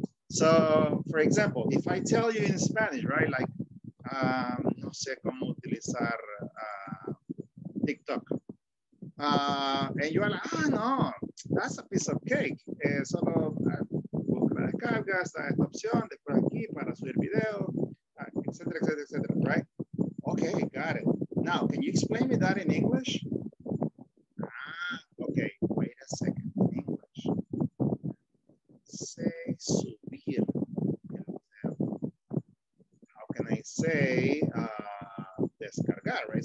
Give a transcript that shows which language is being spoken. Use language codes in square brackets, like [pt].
[en] So for example, if I tell you in Spanish, right, like [es] no sé cómo utilizar TikTok, [en] and you are like, ah, no, that's a piece of cake. [es] Solo buscar cargas, esta opción, después aquí para subir video, etc., etc., etc., right? [en] Okay, got it. Now, can you explain me that in English? Okay, wait a second. English. Say subir. How can I say descargar, right?